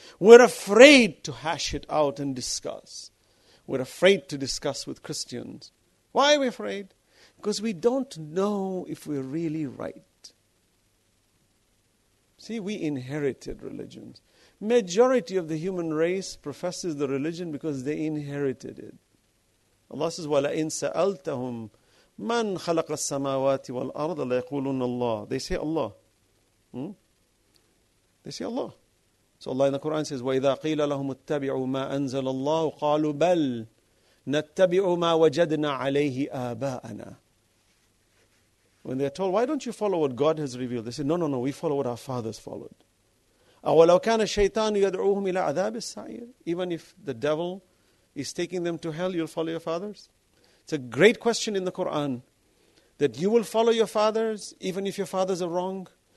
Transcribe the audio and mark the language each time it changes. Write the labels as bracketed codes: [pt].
[en] We're afraid to hash it out and discuss. We're afraid to discuss with Christians. Why are we afraid? Because we don't know if we're really right. See, we inherited religions. Majority of the human race professes the religion because they inherited it. Allah says, [ar] وَلَئِن سَأَلْتَهُمْ مَنْ خَلَقَ السَّمَاوَاتِ وَالْأَرْضَ لَيَقُولُنَّ اللَّهِ. [en] They say Allah. They say Allah. So Allah in the Quran says, [ar] وَإِذَا قِيلَ لَهُمُ اتَّبِعُوا مَا أَنزَلَ اللَّهُ قَالُوا بَلْ نَتَّبِعُوا مَا وَجَدْنَا عَلَيْهِ آبَاءَنَا. [en] When they're told, why don't you follow what God has revealed? They say, no, we follow what our fathers followed. [ar] أَوَلَوْ كَانَ الشَّيْطَانُ يَدْعُوهُمْ إِلَىٰ عَذَابِ السَّعِيرِ. [en] Even if the devil is taking them to hell, you'll follow your fathers? It's a great question in the Quran that you will follow your fathers even if your fathers are wrong.